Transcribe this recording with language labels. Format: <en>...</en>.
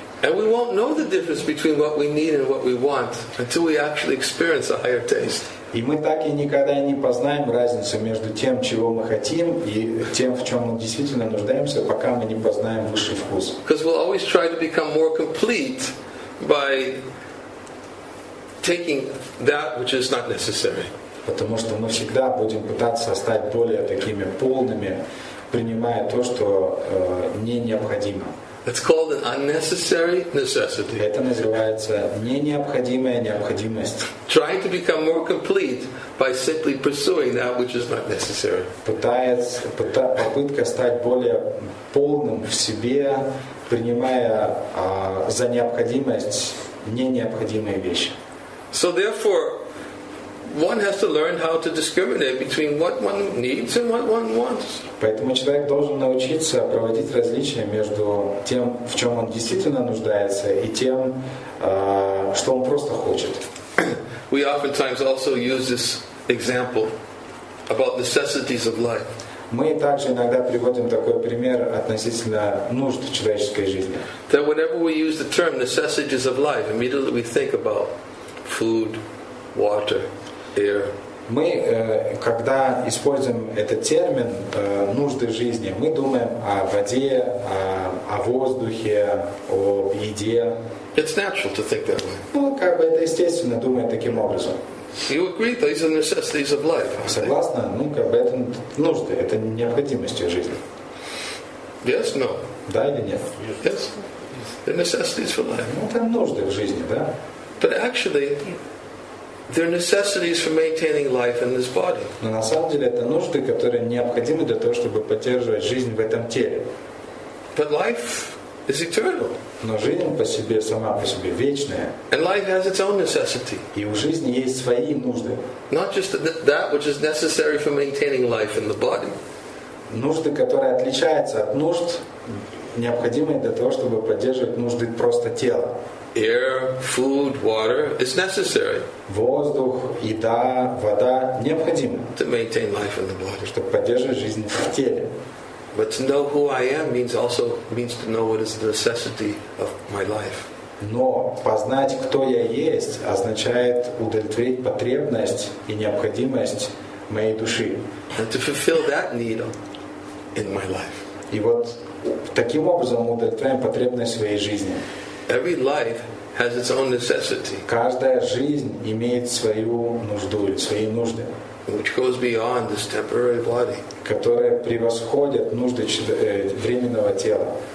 <en>And we won't know the difference between what we need and what we want until we actually experience a higher taste.</en> <ru>И мы так и никогда не познаем разницу между тем, чего мы хотим, и тем, в чем мы действительно нуждаемся, пока мы не познаем высший вкус.</ru> <en>Because we'll always try to become more complete by taking that which is not necessary.</en> <ru>Потому что мы всегда будем пытаться стать более такими полными, принимая то, что не необходимо.</ru> <en>It's called an unnecessary necessity.</en> <ru>Это называется не необходимая необходимость.</ru> <en>Trying to become more complete by simply pursuing that which is not necessary.</en> <ru>Попытка стать более полным в себе, принимая за необходимость не необходимые вещи.</ru> <en>So therefore, one has to learn how to discriminate between what one needs and what one wants.</en> <ru>Поэтому человек должен научиться проводить различия между тем, в чем он действительно нуждается, и тем, что он просто хочет.</ru> <en>We oftentimes also use this example about necessities of life.</en> <ru>Мы также иногда приводим такой пример относительно нужд человеческой жизни.</ru> <en>That whenever we use the term necessities of life, immediately we think about food, water, air.</en> <ru>Мы, когда используем этот термин нужды жизни, мы думаем о воде, о воздухе, о еде.</ru> <en>It's natural to think that way.</en> <ru>Ну, как бы это естественно думать таким образом.</ru> <en>You agree, these are necessities of life.</en> <ru>Согласна? Ну, как бы это нужды, это необходимости жизни.</ru> <en>Yes, no.</en> <ru>Да или нет?</ru> <en>Yes. They're necessities for life.</en> <ru>Ну, это нужды в жизни, да?</ru> <en>But actually, they're necessities for maintaining life in this body.</en> <ru>Но на самом деле это нужды, которые необходимы для того, чтобы поддерживать жизнь в этом теле.</ru> <en>But life is eternal.</en> <ru>Но жизнь по себе сама по себе вечная.</ru> <en>And life has its own necessity.</en> <ru>И у жизни есть свои нужды.</ru> <en>Not just that which is necessary for maintaining life in the body.</en> <ru>Нужды, которые отличаются от нужд, необходимые для того, чтобы поддерживать нужды просто тела.</ru> <en>Air, food, water is necessary.</en> <ru>Воздух, еда, вода необходимы.</ru> <en>To maintain life in the body.</en> <ru>Чтобы поддерживать жизнь в теле.</ru> <en>But to know who I am means to know what is the necessity of my life.</en> <ru>Но познать, кто я есть, означает удовлетворить потребность и необходимость моей души.</ru> <en>And to fulfill that need in my life.</en> <ru>И вот таким образом удовлетворяем потребность своей жизни.</ru> <en>Every life has its own necessity.</en> <ru>Каждая жизнь имеет свою нужду, свои нужды,</ru> <en>which goes beyond this temporary body.</en> <ru>Которые превосходят нужды временного тела.</ru>